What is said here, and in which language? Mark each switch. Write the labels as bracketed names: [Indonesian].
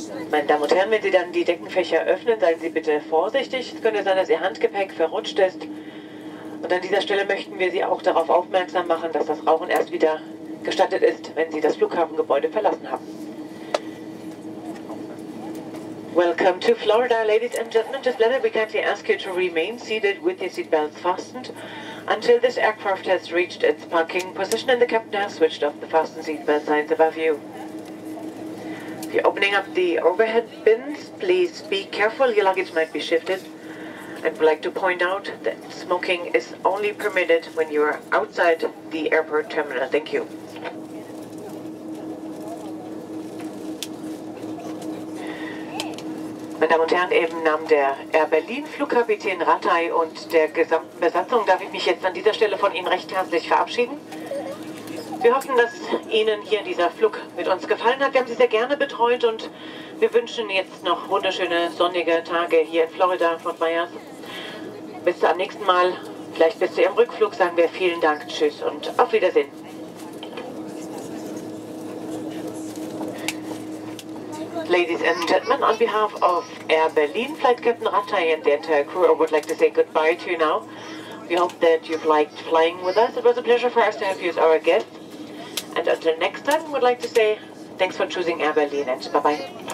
[German] Meine Damen und Herren, wenn Sie dann die Deckenfächer öffnen, seien Sie bitte vorsichtig. Es könnte sein, dass Ihr Handgepäck verrutscht ist. Und an dieser Stelle möchten wir Sie auch darauf aufmerksam machen, dass das Rauchen erst wieder gestattet ist, wenn Sie das Flughafengebäude verlassen haben. [English] Welcome to Florida, ladies and gentlemen. Just let me kindly ask you to remain seated with your seatbelts fastened until this aircraft has reached its parking position and the captain has switched off the fastened seatbelt signs above you. If you're opening up the overhead bins, please be careful, your luggage might be shifted. I'd like to point out that smoking is only permitted when you are outside the airport terminal. Thank you. [German] Meine Damen und Herren, eben im Namen der Air Berlin Flugkapitän Rattay und der gesamten Besatzung darf ich mich jetzt an dieser Stelle von Ihnen recht herzlich verabschieden. Wir hoffen, dass Ihnen hier dieser Flug mit uns gefallen hat. Wir haben Sie sehr gerne betreut und wir wünschen jetzt noch wunderschöne sonnige Tage hier in Florida, Fort Myers. Bis zum nächsten Mal, vielleicht bis zu Ihrem Rückflug, sagen wir vielen Dank, tschüss und auf Wiedersehen. [English] Ladies and gentlemen, on behalf of Air Berlin, Flight Captain Rattay and the entire crew, I would like to say goodbye to you now. We hope that you've liked flying with us. It was a pleasure for us to have you as our guest. And until next time, we'd like to say thanks for choosing Air Berlin and bye-bye.